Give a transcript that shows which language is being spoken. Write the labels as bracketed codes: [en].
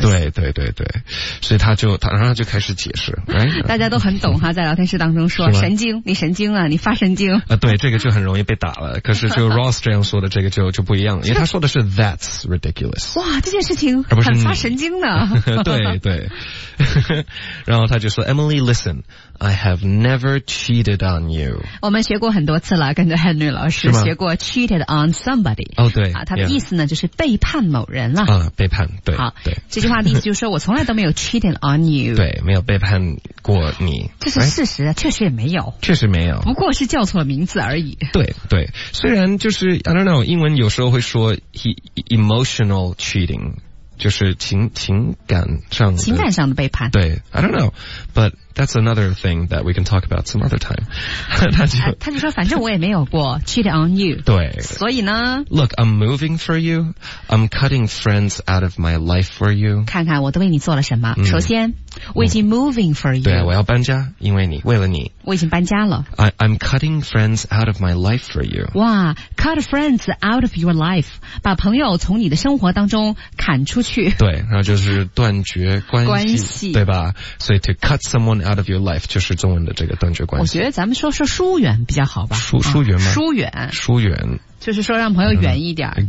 [zh] 对，所以他然后就开始解释，大家都很懂哈，在聊天室当中说神经，你神经了，你发神经啊，对，这个就很容易被打了。可是就 Ross 这样说的这个就不一样，因为他说的是 [en] That's ridiculous。 [zh] 哇，这件事情很发神经的。对，然后他就说 [en] Emily, listen, I have never cheated on you。 [zh] 我们学过很多次了，跟着 Henry 老师学过 cheated on somebody。哦，对，他的意思呢就是背叛某人了。啊，背叛，对。好，对，这句话的意思就是说我从来都没有 [en] cheated on you。 [zh] 对，没有背叛过你。这是事实，确实也没有。确实没有。不过是叫错名字而已。对。虽然就是 [en] I don't know, [zh] 英文有时候会说 emotional cheating, 就是情感上的背叛。 [en] 对 I don't know, but that's another thing that we can talk about some other time. [zh] 他就说反正我也没有过 [en] cheat on you. [zh] 对。所以呢 [en] Look, I'm moving for you. I'm cutting friends out of my life for you. [zh] 看看我都为你做了什么。首先我已经 [en] moving for you. [zh] 对，我要搬家，因为你，为了你。我已经搬家了。 [en] I'm cutting friends out of my life for you. 哇 ,cut friends out of your life. [zh] 把朋友从你的生活当中砍出去。对，然后就是断绝关系。对吧，所以 [en] to cut someone out of your life, [zh] 就是中文的这个断绝关系。我觉得咱们说疏远比较好吧。疏远吗？疏远。就是说让朋友远一点。